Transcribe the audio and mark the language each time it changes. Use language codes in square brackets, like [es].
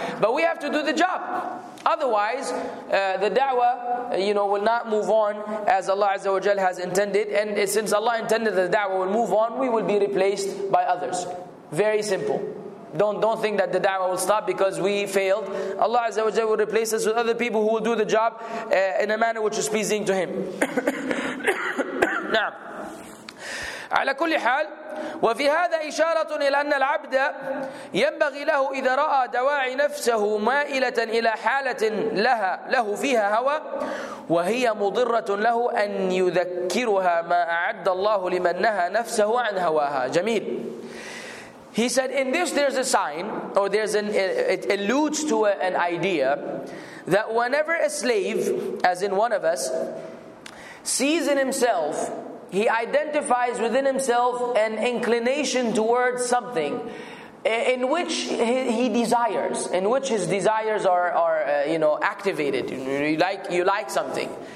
[en] But we have to do the job. Otherwise, the da'wah, you know, will not move on as Allah Azza wa Jal has intended. And since Allah intended that the da'wah will move on, we will be replaced by others. Very simple. Don't think that the da'wah will stop because we failed. Allah Azza wa Jalla will replace us with other people who will do the job in a manner which is pleasing to Him. [ar] نعم. على كل حال وفي هذا إشارة إلى أن العبد ينبغي له إذا رأى دواعي نفسه مائلة إلى حالة له فيها هوى وهي مضرة له أن يذكرها ما أعد الله لمن نهى نفسه عن هواها. جميل. [en] He said, in this there's a sign, or there's it alludes to an idea, that whenever a slave, as in one of us, sees in himself, he identifies within himself an inclination towards something in which he desires, in which his desires are activated. You like something.